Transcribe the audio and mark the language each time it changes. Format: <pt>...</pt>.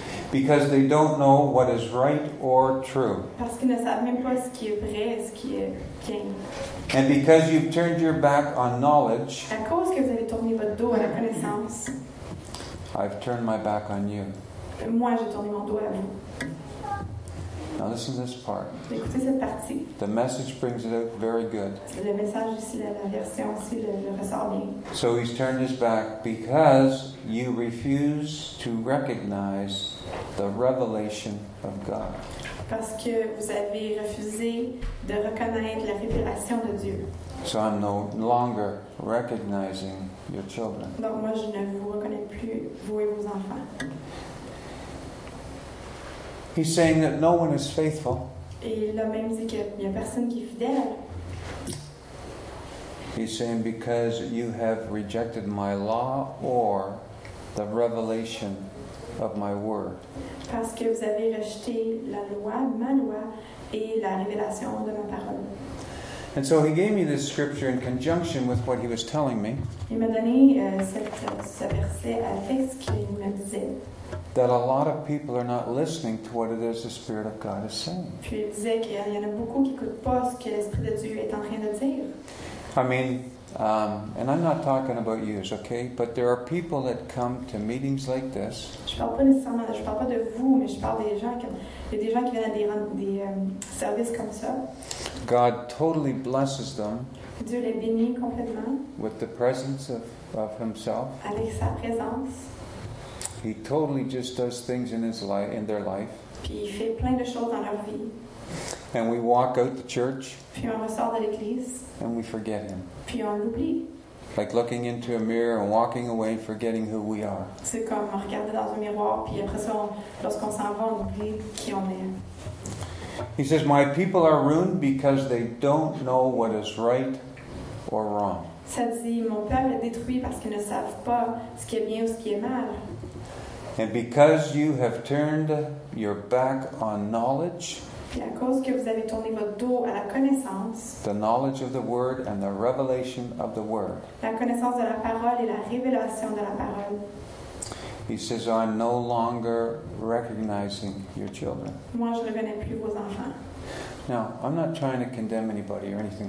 <en>Because they don't know what is right or true.</en> <fr>Parce qu'ils ne savent même pas ce qui est vrai et ce qui est bien.</fr> <en>And because you've turned your back on knowledge.</en> <fr>À cause que vous avez tourné votre dos à la connaissance.</fr> <en>I've turned my back on you.</en> <fr>Et moi, j'ai tourné mon dos à vous.</fr> <en>Now listen to this part.</en> <fr>Écoutez cette partie.</fr> <en>The message brings it out very good.</en> <fr>Le message ici, la version ici, le ressort bien.</fr> <en>So he's turned his back because you refuse to recognize the revelation of God.</en> <fr>Parce que vous avez refusé de reconnaître la révélation de Dieu.</fr> <en>So I'm no longer recognizing your children.</en> <fr>Donc moi, je ne vous reconnais plus, vous et vos enfants.</fr> <en>He's saying that no one is faithful.</en> <fr>Et il a même dit qu'il n'y a personne qui est fidèle.</fr> <en>He's saying because you have rejected my law or the revelation of my word.</en> <fr>Parce que vous avez rejeté la loi, ma loi, et la révélation de ma parole.</fr> <en>And so he gave me this scripture in conjunction with what he was telling me.</en> <fr>Il m'a donné ce verset avec ce qu'il me disait.</fr> <en>That a lot of people are not listening to what it is the Spirit of God is saying.</en> <fr>Puis il disait qu'il y en a beaucoup qui écoutent pas ce que l'Esprit de Dieu est en train de dire.</fr> <en>I mean, and I'm not talking about you, okay? But there are people that come to meetings like this.</en> <fr>Je parle pas nécessairement, je parle pas de vous, mais je parle des gens qui, il y a des gens qui viennent à des services comme ça.</fr> <en>God totally blesses them.</en> <fr>Dieu les bénit complètement.</fr> <en>With the presence of Himself.</en> <fr>Avec sa présence.</fr> <en>He totally just does things in his life, in their life.</en> <fr>Puis il fait plein de choses dans leur vie.</fr> <en>And we walk out the church.</en> <fr>Puis on ressort de l'église.</fr> <en>And we forget him.</en> <fr>Puis on l'oublie.</fr> <en>Like looking into a mirror and walking away, forgetting who we are.</en> <fr>C'est comme regarder dans un miroir, puis après ça, lorsqu'on s'en va, on oublie qui on est.</fr> <en>He says, "My people are ruined because they don't know what is right or wrong."</en> <fr>Ça dit, mon peuple est détruit parce qu'ils ne savent pas ce qui est bien ou ce qui est mal.</fr> <en>And because you have turned your back on knowledge,</en> <fr>à cause que vous avez tourné votre dos à la connaissance,</fr> <en>the knowledge of the word and the revelation of the word,</en> <fr>la connaissance de la parole et la révélation de la parole,</fr> <en>he says, I'm no longer recognizing your children.</en> <fr>Moi, je ne reconnais plus vos enfants.</fr> <en>Now, I'm not trying to condemn anybody or anything</en>